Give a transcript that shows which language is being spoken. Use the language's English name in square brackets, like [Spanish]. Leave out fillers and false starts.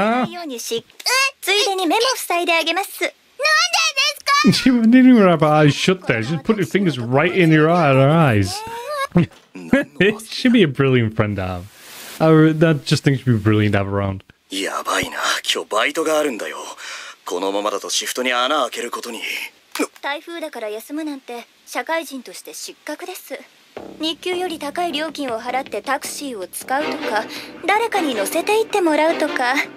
[Japanese] ついでに目も塞いであげます。なんでですか [English] ？She didn't even have her eyes shut there. She just put her fingers right in her eyes. She'd be a brilliant friend to have. I just think she'd be brilliant to have around. [Japanese] やばいな、今日バイトがあるんだよ。このままだとシフトに穴開けることに。台風だから休むなんて社会人として失格です。日給より高い料金を払ってタクシーを使うとか、誰かに乗せて行ってもらうとか。